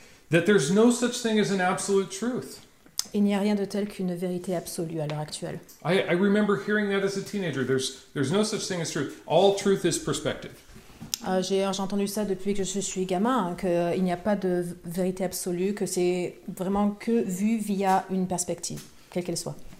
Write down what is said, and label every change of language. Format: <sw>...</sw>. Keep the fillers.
<en>that there's no such thing as an absolute truth.</en> <fr>Il n'y a rien de tel qu'une vérité absolue à l'heure actuelle.</fr> <en>I, I remember hearing that as a teenager. There's there's no such thing as truth. All truth is perspective.</en> <fr>Euh, J'ai entendu ça depuis que je suis gamin, hein, qu'il n'y a pas de vérité absolue, que c'est vraiment que vu via une perspective, quelle qu'elle soit.</fr>